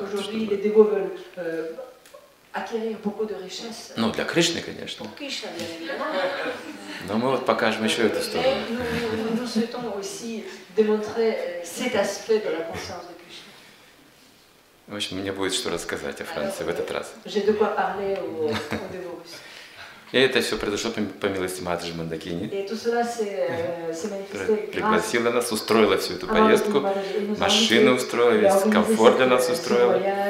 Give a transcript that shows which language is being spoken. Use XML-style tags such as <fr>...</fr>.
<fr>Aujourd'hui, les dévots veulent acquérir beaucoup de richesses.</fr> <ru>Ну, для Кришны, конечно.</ru> <fr>Pour Krishna, bien évidemment.</fr> <ru>Но мы вот покажем еще эту сторону.</ru> <fr>Nous souhaitons aussi démontrer cet aspect de la conscience de Krishna.</fr> <ru>В общем, мне будет что рассказать о Франции в этот раз.</ru> <fr>J'ai de quoi parler aux dévots.</fr> <ru>И это все произошло по милости Матаджи Мандакини. Пригласила нас, устроила всю эту поездку, машину устроила, весь комфорт для нас устроила.</ru>